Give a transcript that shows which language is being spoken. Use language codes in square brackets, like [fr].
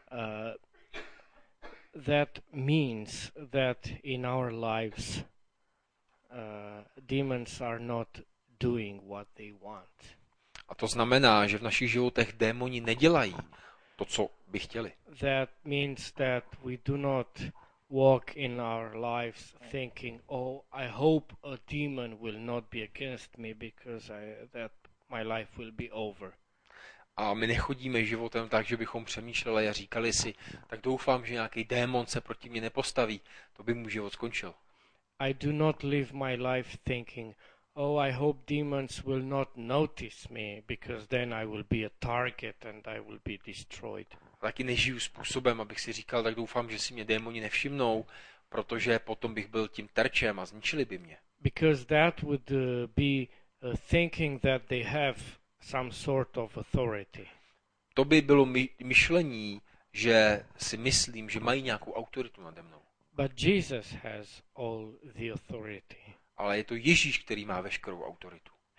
[en] And that means that in our lives demons are not doing what they want. [cs] A to znamená, že v našich životech démoni nedělají to, co by chtěli. [en] That means that we do not walk in our lives thinking, oh, I hope a demon will not be against me because that my life will be over. [cs] A my nechodíme životem tak, že bychom přemýšleli a říkali si, tak doufám, že nějaký démon se proti mě nepostaví, to by mu život skončil. [en] I do not live my life thinking, oh, I hope demons will not notice me because then I will be a target and I will be destroyed. [cs] Taky nežiju způsobem, abych si říkal, tak doufám, že si mě démoni nevšimnou, protože potom bych byl tím terčem a zničili by mě. [en] Because that would be thinking that they have some sort of authority. [cs] To by bylo myšlení, že si myslím, že mají nějakou autoritu nade mnou. [en] But Jesus has all the authority. [cs] Ale je to Ježíš, který má veškerou autoritu.